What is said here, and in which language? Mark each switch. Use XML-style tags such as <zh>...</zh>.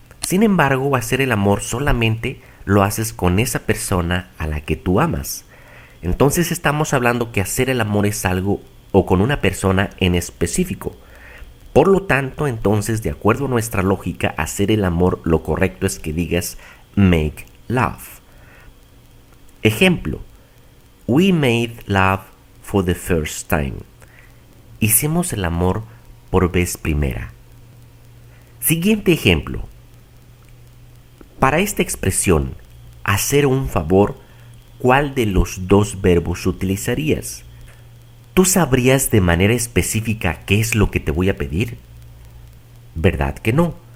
<es>Sin embargo, hacer el amor solamente lo haces con esa persona a la que tú amas. Entonces estamos hablando que hacer el amor es algo o con una persona en específico. Por lo tanto, entonces, de acuerdo a nuestra lógica, hacer el amor lo correcto es que digas make love. Ejemplo.</es> <en>We made love for the first time.</en> <es>Hicimos el amor por vez primera. Siguiente ejemplo. Para esta expresión, hacer un favor, ¿cuál de los dos verbos utilizarías? ¿Tú sabrías de manera específica qué es lo que te voy a pedir? ¿Verdad que no?</es>